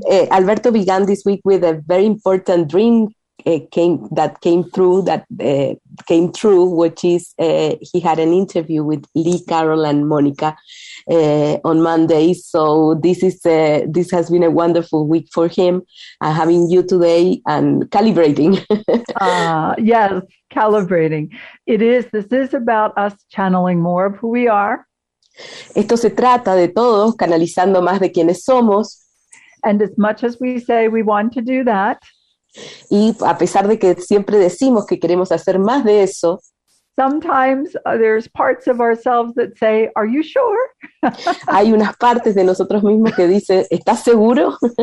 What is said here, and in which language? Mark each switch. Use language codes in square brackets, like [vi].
[en] Alberto began this week with a very important dream came true, which is he had an interview with Lee Carroll and Monica on Monday. So this has been a wonderful week for him, having you today and calibrating. yes. Calibrating. This is about us channeling more of who we are. [es] Esto se trata de todos canalizando más de quienes somos. [en] And as much as we say we want to do that, [es] y a pesar de que siempre decimos que queremos hacer más de eso, [en] sometimes there's parts of ourselves that say, "Are you sure?" [es] Hay unas partes de nosotros mismos que dice, "¿Estás seguro?"